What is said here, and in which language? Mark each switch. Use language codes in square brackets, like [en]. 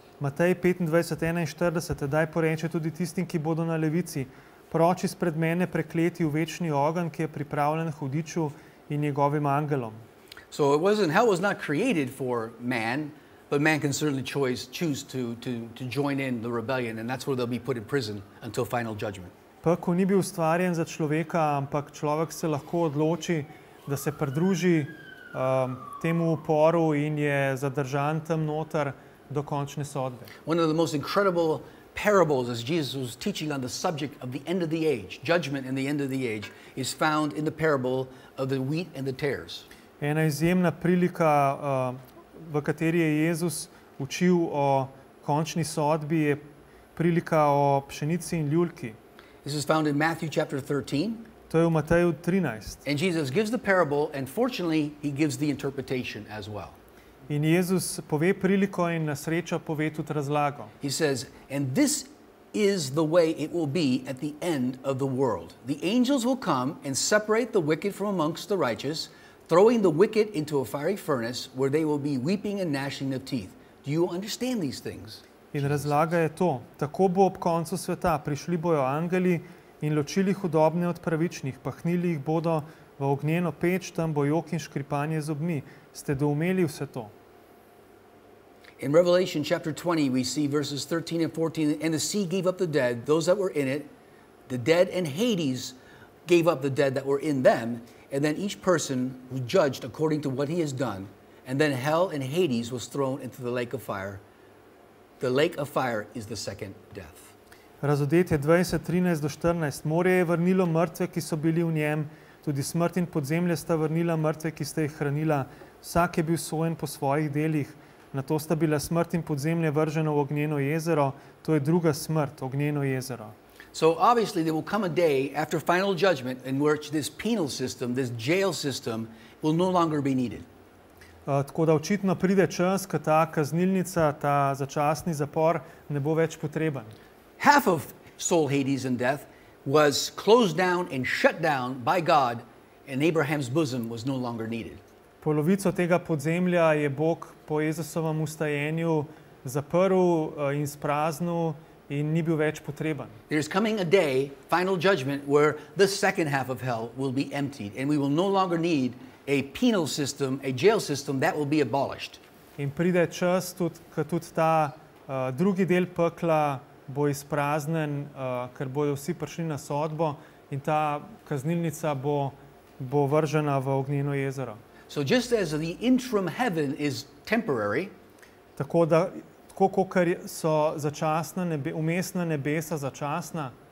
[sl] Matej 25:41, tedaj poreče tudi tistim, ki bodo na levici, proč izpred mene prekleti v večni ogen, ki je pripravljen hudiču in njegovim angelom. [en] So it wasn't, hell was not created for man, but man can certainly choose to join in the rebellion, and that's where they'll be put in prison until final judgment. [sl] Pekel ni bil ustvarjen za človeka, ampak človek se lahko odloči, da se pridruži temu uporu in je zadržan tam noter do končne sodbe. [en] One of the most incredible parables as Jesus was teaching on the subject of the end of the age, judgment and the end of the age, is found in the parable of the wheat and the tares. [sl] Ena izjemna prilika, v kateri je Jezus učil o končni sodbi, je prilika o pšenici in ljulki. [en] This is found in Matthew chapter 13. [sl] To je v Mateju 13. [en] And Jesus gives the parable, and fortunately, he gives the interpretation as well. [sl] In Jezus pove priliko in na srečo pove tudi razlago. [en] He says, "And this is the way it will be at the end of the world. The angels will come and separate the wicked from amongst the righteous, throwing the wicked into a fiery furnace where they will be weeping and gnashing of teeth." Do you understand these things? [sl] In razlaga je to. Tako bo ob koncu sveta. Prišli bojo angeli in ločili hudobne od pravičnih. Pahnili jih bodo v ognjeno peč, tam bo jok in škripanje zobmi. Ste doumeli vse to? [en] In Revelation chapter 20, we see verses 13 and 14, "And the sea gave up the dead, those that were in it, the dead and Hades gave up the dead that were in them, and then each person was judged according to what he has done, and then hell and Hades was thrown into the lake of fire. The lake of fire is the second death." [sl] Razodetje 20:13-14, morje je vrnilo mrtve, ki so bili v njem, tudi smrt in podzemlje sta vrnila mrtve, ki ste jih hranila. Vsak je bil sojen po svojih delih. Na to sta bila smrt in podzemlje vrženo v ognjeno jezero. To je druga smrt, ognjeno jezero. [en] So obviously there will come a day after final judgment in which this penal system, this jail system will no longer be needed. [sl] Tako da očitno pride čas, ko ta kaznilnica, ta začasni zapor ne bo več potreben. [en] Half of soul Hades and death was closed down and shut down by God, and Abraham's bosom was no longer needed. [sl] Polovico tega podzemlja je Bog po Jezusovem vstajenju zaprl in spraznil in ni bil več potreben. [en] There is coming a day, final judgment, where the second half of hell will be emptied, and we will no longer need a penal system, a jail system that will be abolished. [sl] In pride čas, tudi ta drugi del pekla bo izpraznen, ker bodo vsi prišli na sodbo in ta kaznilnica bo vržena v ognjeno jezero. [en] So just as the interim heaven is temporary, [sl] tako da tako kakor so začasna nebe, umestna nebesa začasna,